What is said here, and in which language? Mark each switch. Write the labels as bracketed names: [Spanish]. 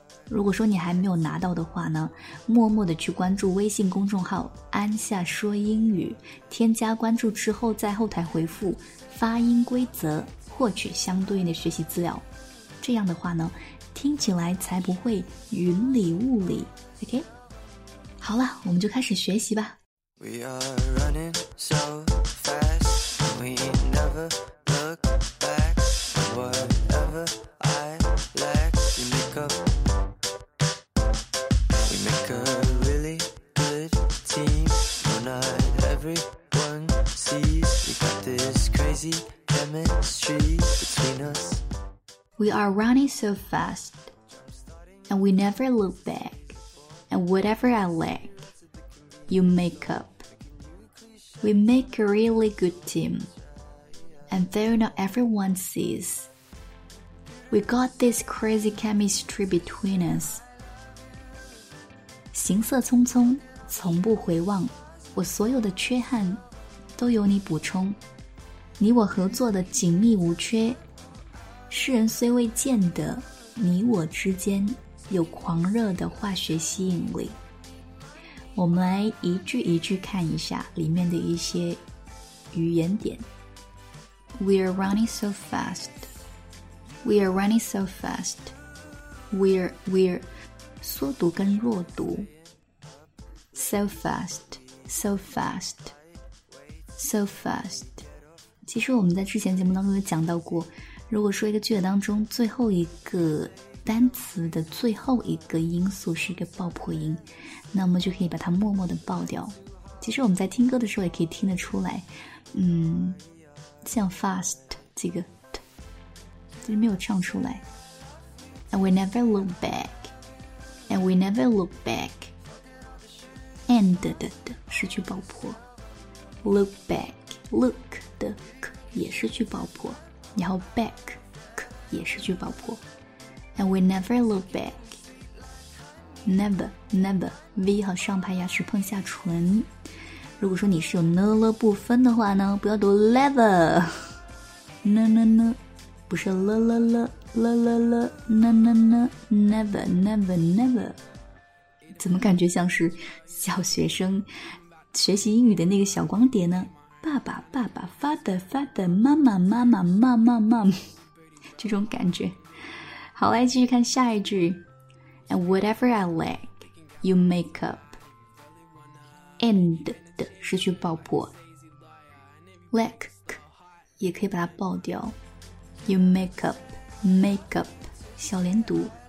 [Chinese] 如果说你还没有拿到的话呢，默默的去关注微信公众号安夏说英语，添加关注之后，在后台回复发音规则获取相对应的学习资料。这样的话呢，听起来才不会云里雾里。 OK， 好了，我们就开始学习吧。 [English] We are running so fast, we never look back. Whatever I lack, you make up. We make a really good team. No, not everyone sees. We got this crazy chemistry between us. We are running so fast, and we never look back, and whatever I lack, you make up. We make a really good team, and though not everyone sees, we got this crazy chemistry between us. [Chinese] 行色匆匆，从不回望，我所有的缺憾都由你补充，你我合作的紧密无缺，世人虽未见得你我之间有狂热的化学吸引力。我们来一句一句看一下里面的一些语言点。 [English] We are running so fast, we are running so fast, we're [Chinese] 缩读跟弱读。 [English] So fast, so fast, so fast。 [Chinese] 其实我们在之前节目当中有讲到过，如果说一个句子当中最后一个单词的最后一个音素是一个爆破音，那我们就可以把它默默地爆掉。其实我们在听歌的时候也可以听得出来，像 fast 这个 t 就是没有唱出来。 [English] And we never look back, and we never look back, and [Chinese] 的失去爆破。 [English] Look back, look [Chinese] 的 k 也失去爆破，然后 back 也是句爆破。 [English] And we never look back, never, never, V [Chinese] 和上排牙齿碰下唇。如果说你是有呢了不分的话呢，不要读 lever, 呢呢呢，不是了了了了了了呢呢呢， [English] never, never, never。 [Chinese] 怎么感觉像是小学生学习英语的那个小光碟呢？爸爸爸爸 father father 妈妈妈妈妈妈妈妈，这种感觉。好，来继续看下一句。 [English] And whatever I lack, you make up. [Chinese] And 的失去爆破， lack 也可以把它爆掉。 [English] You make up, make up [Chinese] 小连读。